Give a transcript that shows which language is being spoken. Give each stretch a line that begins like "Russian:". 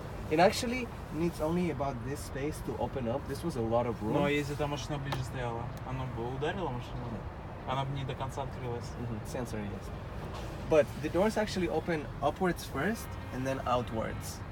English: It actually needs only about this space to open up. This was a lot of room.
Russian: Но если там машина ближе стояла, она бы ударила машину? Она бы не до конца открылась. Сенсор есть.
English: but the doors actually open upwards first and then outwards.